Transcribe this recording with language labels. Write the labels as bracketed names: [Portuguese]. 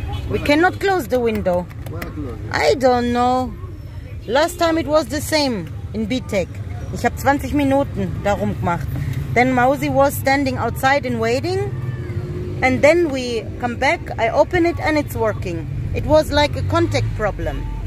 [English] We cannot close the window. I don't know. Last time it was the same in BTEC. [German] Ich habe 20 Minuten darum gemacht. [English] Then Mausi was standing outside and waiting. And then we come back, I open it and it's working. It was like a contact problem.